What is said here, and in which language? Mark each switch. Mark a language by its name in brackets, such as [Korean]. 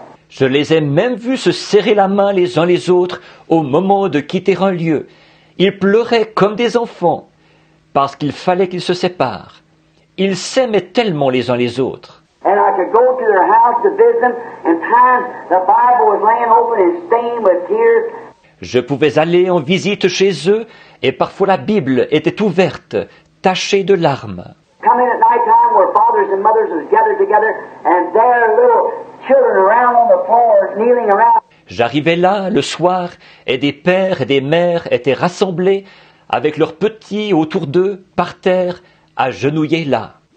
[French] Je les ai même vus se serrer la main les uns les autres au moment de quitter un lieu. Ils pleuraient comme des enfants parce qu'il fallait qu'ils se séparent. ils s'aimaient tellement les uns les autres. [English] And I could go to their house to visit them, and times the Bible was laying open and stained with tears. [French] Je pouvais aller en visite chez eux, et parfois la Bible était ouverte, tachée de larmes. [English] Come in at night time where fathers and mothers were gathered together, and there are little children around on the floor kneeling around. [French] J'arrivais là le soir, et des pères et des mères étaient rassemblés, avec leurs petits autour d'eux, par terre, agenouillés là.